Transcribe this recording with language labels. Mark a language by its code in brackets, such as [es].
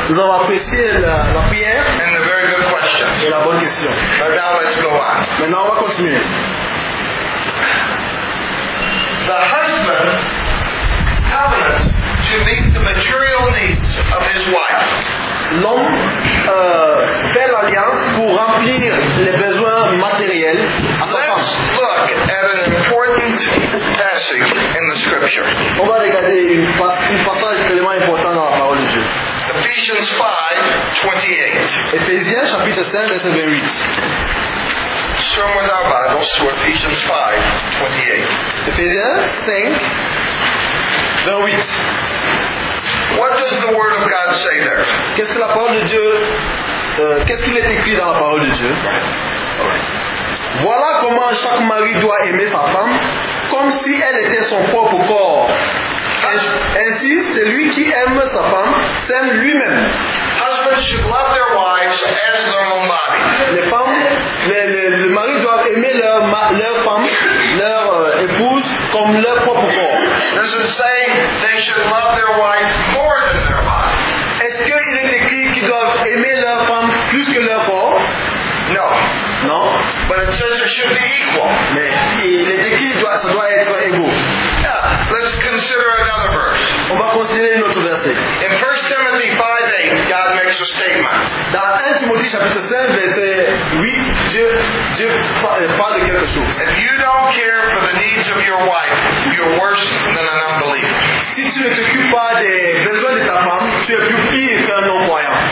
[fr] Nous avons apprécié la prière. [en] And the very good question. [fr] Et la bonne question. [en] But now let's go on. [fr] Maintenant on va continuer. [en] The husband covenants to meet the material needs of his wife. [fr] L'homme fait l'alliance pour remplir les besoins matériels à sa femme. [en] Let's look at an important passage in the scripture. [fr] On va regarder un passage extrêmement important dans la parole de Dieu. [en] Ephesians 5, 28. [fr] Ephésiens chapitre 5, verset 28. [en] Turn with our Bibles to Ephesians 5, 28. [fr] Ephésiens 5, 28. [en] What does the word of God say there? [fr] Qu'est-ce que la parole de Dieu qu'est-ce qu'il est écrit dans la parole de Dieu? Voilà comment chaque mari doit aimer sa femme comme si elle était son propre corps. Ainsi, celui qui aime sa femme s'aime lui-même. [en] Husbands should love their wives as their own body. [fr] Les femmes, les maris doivent aimer leur femme, leur épouse comme leur propre corps. [en] Does it say they should love their wife more than their body? [fr] Est-ce qu'il est écrit qu'ils doivent aimer leur femme plus que leur corps? [en] No. [fr] Non. [en] But it says it should be equal. [fr] Mais il est écrit que ça doit être égal. [en] Let's consider another verse. [fr] On va considérer une autre verset. [en] In 1 Timothy 5, 8, God makes a statement. [fr] Dans 1 Timothée chapitre 5, verset 8, Dieu parle de quelque chose. [en] If you don't care for the needs of your wife, you're worse than an unbeliever. [fr] Si tu ne t'occupes pas des besoins de ta femme, tu es plus pire qu'un non-croyant.